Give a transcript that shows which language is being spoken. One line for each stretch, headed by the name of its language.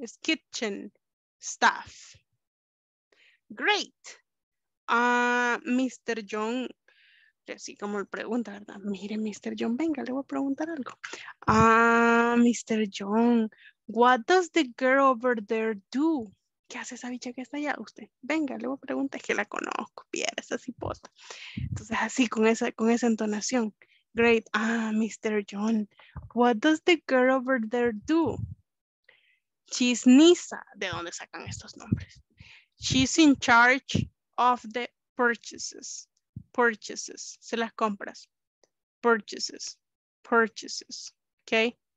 English: Is kitchen staff. Great.
Spanish: Mr. John. Así como le pregunta, ¿verdad? Mire, Mr. John, venga, le voy a preguntar algo. Mr.
English: John, what does the girl over there do?
Spanish: ¿Qué hace esa bicha que está allá? Usted, venga, le voy a preguntar, es que la conozco, Pierre, esa cipota. Entonces, así, con esa entonación. Great. Mr.
English: John, what does the girl over there do? She's Nisa.
Spanish: ¿De dónde sacan estos nombres?
English: She's in charge of the purchases.
Spanish: Purchases, se las compras. Purchases, okay?